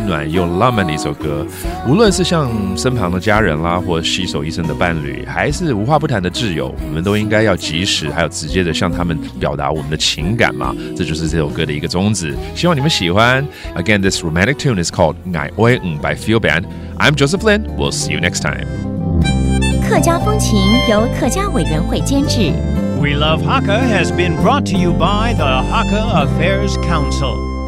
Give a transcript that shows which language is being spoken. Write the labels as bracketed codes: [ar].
[zh] 又浪漫的一首歌，无论是向身旁的家人啦，或携手一生的伴侣，还是无话不谈的挚友，我们都应该要及时还有直接的向他们表达我们的情感嘛，这就是这首歌的一个宗旨，希望你们喜欢。 [en] Again, this romantic tune is called 你爱我 by F.E.E.L. Band. I'm Joseph Lin, we'll see you next time. [zh] 客家风情由客家委员会监制， [en] We Love Hakka has been brought to you by the Hakka Affairs Council.